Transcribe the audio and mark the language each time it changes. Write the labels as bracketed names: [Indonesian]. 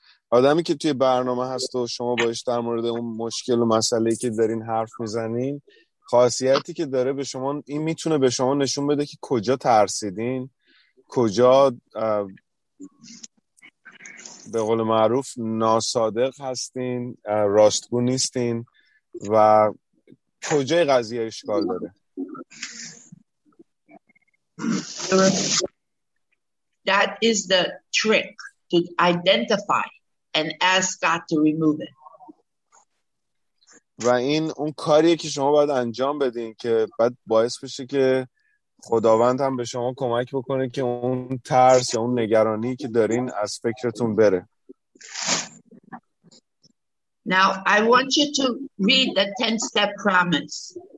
[Persian] آدمی که توی برنامه هست و شما باش در مورد اون مشکل و مسئله‌ای که دارین حرف میزنین، خاصیتی که داره به شما این میتونه به شما نشون بده که کجا ترسیدین، کجا به قول معروف ناصادق هستین، راستگو نیستین و کجای قضیه اشکال داره. [English] That is the trick to identify and ask God to remove it. [Persian] و این اون کاریه که شما باید انجام بدین که بعد باعث بشه که خداوند هم به شما کمک بکنه که اون ترس یا اون نگرانی که دارین از فکرتون بره. [English] Now I want you to read the 10-step promise.